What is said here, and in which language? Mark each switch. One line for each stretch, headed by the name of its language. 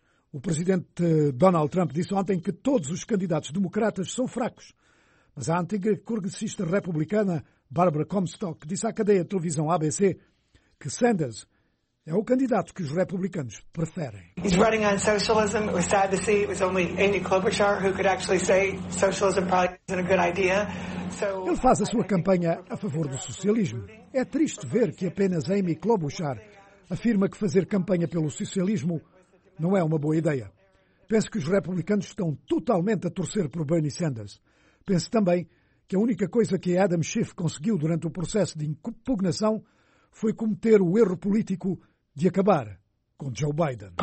Portuguese: O presidente Donald Trump disse ontem que todos os candidatos democratas são fracos, mas a antiga congressista republicana Barbara Comstock disse à cadeia de televisão ABC que Sanders é o candidato que os republicanos preferem.
English: He's running on socialism. It was sad to see. It was only Amy Klobuchar who could actually say socialism probably isn't a good idea.
Portuguese: Ele faz a sua campanha a favor do socialismo. É triste ver que apenas Amy Klobuchar afirma que fazer campanha pelo socialismo não é uma boa ideia. Penso que os republicanos estão totalmente a torcer por Bernie Sanders. Penso também que a única coisa que Adam Schiff conseguiu durante o processo de impugnação foi cometer o erro político de acabar com Joe Biden.